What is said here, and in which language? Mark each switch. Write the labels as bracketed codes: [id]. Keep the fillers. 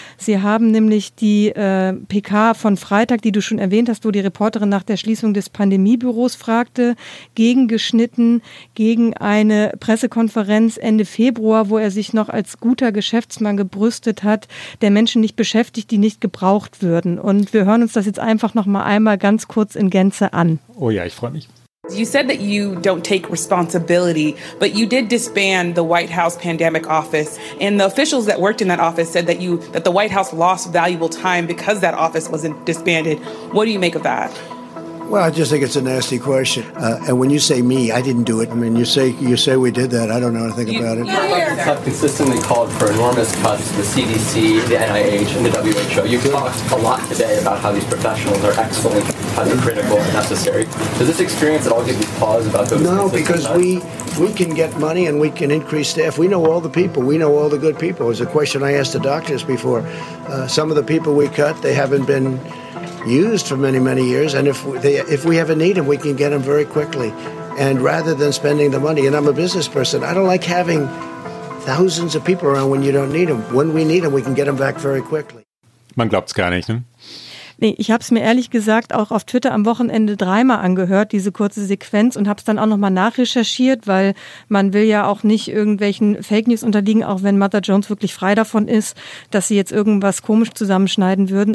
[de] Sie haben nämlich die äh, PK von Freitag, die du schon erwähnt hast, wo die Reporterin nach der Schließung des Pandemiebüros fragte, gegengeschnitten gegen eine Pressekonferenz Ende Februar, wo er sich noch als guter Geschäftsmann gebrüstet hat, der Menschen nicht beschäftigt, die nicht gebraucht würden. Und wir hören uns das jetzt einfach noch mal einmal ganz kurz in Gänze an. Oh ja, ich freue mich. [en] You said that you don't take responsibility, but you did disband the White House pandemic office. And the officials that worked in that office said that you that the White House lost valuable time because that office wasn't disbanded. What do you make of that? Well, I just think it's a nasty question. Uh, and when you say me, I didn't do it. I mean, you say you say we did that. I don't know anything you, about it. have consistently called for enormous cuts to the CDC, the NIH, and the WHO. You've talked a lot today about how these professionals are excellent, how they're critical and necessary. Does this experience at all give you pause about those? No, because cuts? we we can get money and we can increase staff. We know all the people. We know all the good people. It was a question I asked the doctors before. Uh, some of the people we cut, they haven't been used for many, many years. And if we, they, if we have a need, them, we can get them very quickly. And rather than spending the money, and I'm a business person, I don't like having thousands of people around when you don't need them. When we need them, we can get them back very quickly. [de] Man glaubt's gar nicht, ne? Nee, ich habe es mir ehrlich gesagt auch auf Twitter am Wochenende dreimal angehört, diese kurze Sequenz, und habe es dann auch nochmal nachrecherchiert, weil man will ja auch nicht irgendwelchen Fake News unterliegen, auch wenn Mother Jones wirklich frei davon ist, dass sie jetzt irgendwas komisch zusammenschneiden würden.